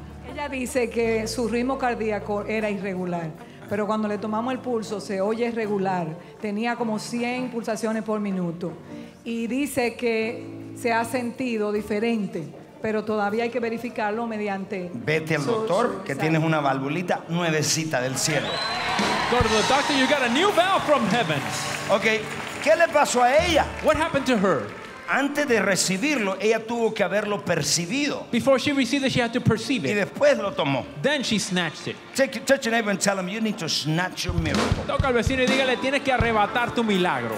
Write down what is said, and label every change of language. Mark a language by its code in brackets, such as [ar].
[es] Ella dice que su ritmo cardíaco era irregular, pero cuando le tomamos el pulso se oye regular. Tenía como 100 pulsaciones por minuto. Y dice que se ha sentido diferente. Pero todavía hay que verificarlo mediante... Vete al doctor, que tienes una valvulita nuevecita del cielo. [en] Go to the doctor, you got a new valve from heaven. [es] Okay, ¿qué le pasó a ella? [en] What happened to her? [es] Antes de recibirlo, ella tuvo que haberlo percibido. [en] Before she received it, she had to perceive it. [es] Y después lo tomó. [en] Then she snatched it. Touch your neighbor and tell him, you need to snatch your miracle. [es] Toca al vecino y dígale, tienes que arrebatar tu milagro.